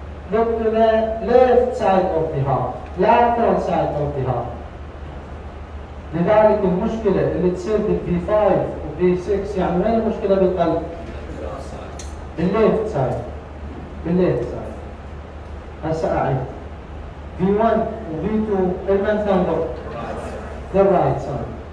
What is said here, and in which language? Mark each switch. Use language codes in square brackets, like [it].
[en] Look to the left side of the heart. Lateral side of the heart. [ar] لذلك المشكلة اللي تصير في V5 و V6 يعني وين المشكلة بالقلب؟ بالليفت سايد. بالليفت سايد. هسا أعيد. V1 و V2 المن تنظر؟ [en] The right side.